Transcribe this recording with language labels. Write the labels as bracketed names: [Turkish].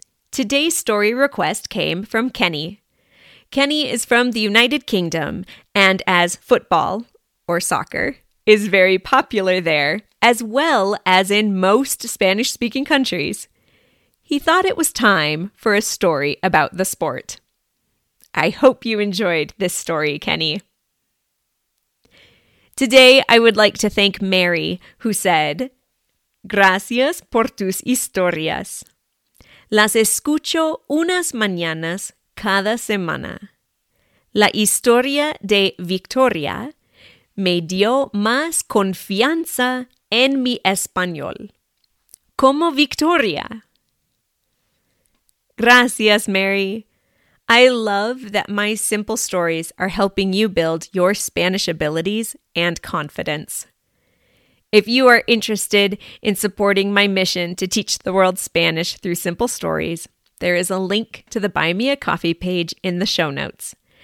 [English] Today's story request came from Kenny. Kenny is from the United Kingdom, and as football, or soccer, is very popular there, as well as in most Spanish-speaking countries, he thought it was time for a story about the sport. I hope you enjoyed this story, Kenny. Today, I would like to thank Mary, who said, [Spanish] "Gracias por tus historias. Las escucho unas mañanas cada semana. La historia de Victoria me dio más confianza en mi español. Como Victoria." Gracias, Mary. [English] I love that my simple stories are helping you build your Spanish abilities and confidence. If you are interested in supporting my mission to teach the world Spanish through simple stories, there is a link to the Buy Me a Coffee page in the show notes.